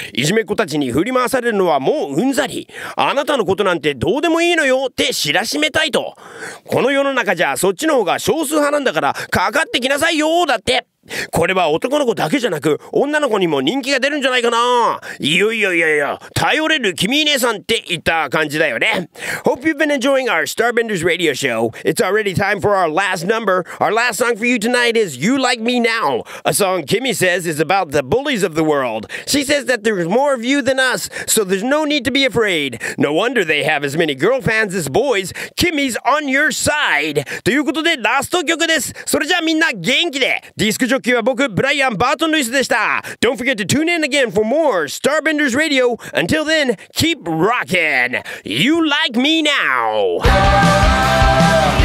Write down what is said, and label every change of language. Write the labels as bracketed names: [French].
[Japanese] いじめっ子たちに振り回されるのはもううんざり、あなたのことなんてどうでもいいのよって知らしめたいと。この世の中じゃそっちの方が少数派なんだからかかってきなさいよ、だって。これは男の子だけじゃなく女の子にも人気が出るんじゃないかな。いよいよいよいよ頼れる君姉さんって言った感じだよね。 [English] Hope you've been enjoying our Starbenders Radio Show. It's already time for our last number. Our last song for you tonight is You Like Me Now, a song Kimmy says is about the bullies of the world. She says that there's more of you than us, so there's no need to be afraid. No wonder they have as many girl fans as boys. Kimmy's on your side. [Japanese] ということでラスト曲です。それじゃあみんな元気で。ディスクジョッキーは僕ブライアン・バートン・ルイスでした。 [English] Don't forget to tune in again for more Starbenders Radio. Until then, keep rocking. You Like Me Now.